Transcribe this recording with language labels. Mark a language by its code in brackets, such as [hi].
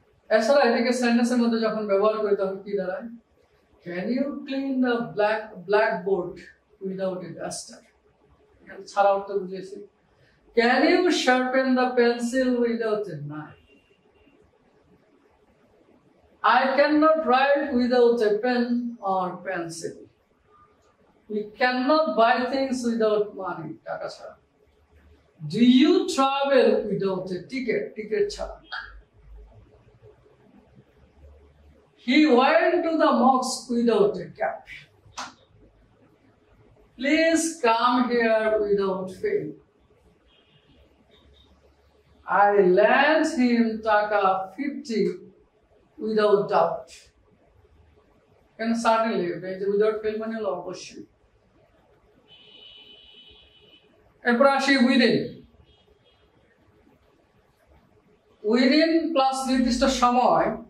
[bn] এছাড়া এটাকে সেন্টেন্সের মধ্যে যখন ব্যবহার করি তখন কি দাঁড়ায়। [en] can you clean the black black board without a duster, [bn] এখানে ছাড়া অর্থ বুঝেছি। [en] Can you sharpen the pencil without a knife, I cannot write without a pen or pencil. We cannot buy things without money. [bn] টাকা ছাড়া। [en] Do you travel without a ticket? [bn] Ticket ছাড়া। [en] He went to the mosque without a cap. Please come here without fail. I lent him taka 50 without doubt, কেন certainly যে without fail [bn] মানে হলো অবশ্যই। এরপর আসি উইদিন, উইদিন প্লাস নির্দিষ্ট সময়।